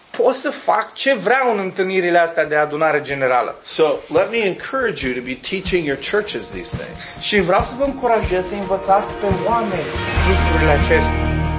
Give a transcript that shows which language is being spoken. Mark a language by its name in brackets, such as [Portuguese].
[Romanian] Pot să fac ce vreau în întâlnirile astea de adunare generală. [English] So, let me encourage you to be teaching your churches these things. [Romanian] Și vreau să vă încurajez să învățați pe oameni lucrurile acestea.